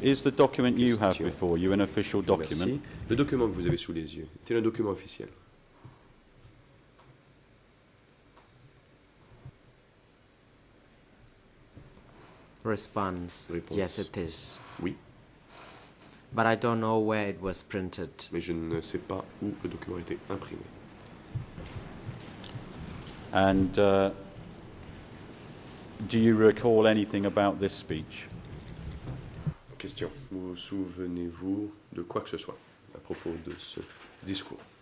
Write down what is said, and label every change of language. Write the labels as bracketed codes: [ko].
[en] Is the document you have before you an official document? [fr] Le document que vous avez sous les yeux, est-il un document officiel? [en] Response. Yes, it is. [fr] Oui. [en] But I don't know where it was printed. [fr] Mais je ne sais pas où le document a été imprimé. [en] And do you recall anything about this speech? Question. [fr] Vous souvenez-vous de quoi que ce soit à propos de ce discours?